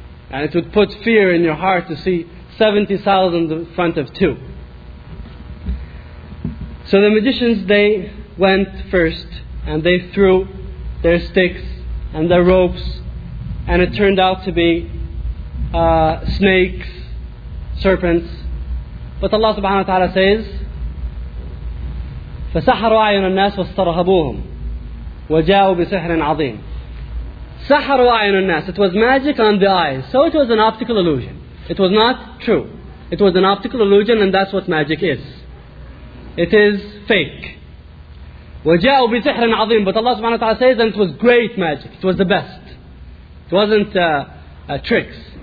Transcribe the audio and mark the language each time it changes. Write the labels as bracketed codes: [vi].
[en] And it would put fear in your heart to see 70,000 in front of two. So the magicians, they went first and they threw their sticks and their ropes, and it turned out to be snakes, serpents. But Allah subhanahu wa ta'ala says, [ar] فَسَحَرُوا عَيْنَ النَّاسِ وَاسْتَرْهَبُوهُمْ وَجَاءُوا بِسِحْرٍ عَظِيمٍ. سَحَرُ وَعَيْنُ النَّاسِ. [en] It was magic on the eyes. So it was an optical illusion. It was not true. It was an optical illusion, and that's what magic is. It is fake. [ar] وَجَاءُوا بِسِحْرٍ عَظِيمٍ. [en] But Allah subhanahu wa ta'ala says, and it was great magic. It was the best. It wasn't tricks.